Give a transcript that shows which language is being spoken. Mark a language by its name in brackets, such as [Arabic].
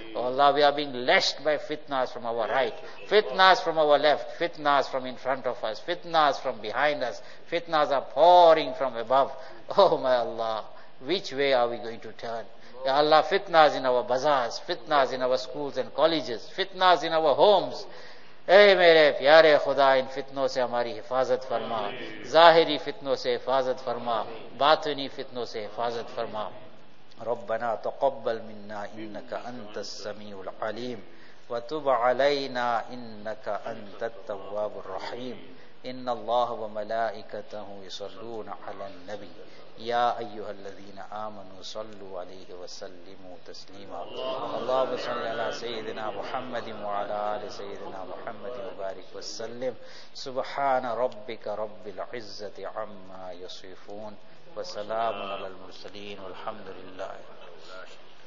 [English] Oh Allah, we are being lashed by fitnas from our right, fitnas from our left, fitnas from in front of us, fitnas from behind us, fitnas are pouring from above. Oh my Allah, which way are we going to turn? Ya Allah, fitnas in our bazaars, fitnas in our schools and colleges, fitnas in our homes. [Urdu] اے میرے پیارے خدا, ان فتنوں سے ہماری حفاظت فرما, ظاہری فتنوں سے حفاظت فرما, باطنی فتنوں سے حفاظت فرما. [Arabic] ربنا تقبل منا انك انت السميع العليم وتب علينا انك انت التواب الرحيم ان الله وملائكته يصلون على النبي يا ايها الذين امنوا صلوا عليه وسلموا تسليما اللهم صل على سيدنا محمد وعلى ال سيدنا محمد وبارك وسلم سبحان ربك رب العزه عما يصفون وسلام على المرسلين والحمد لله رب العالمين.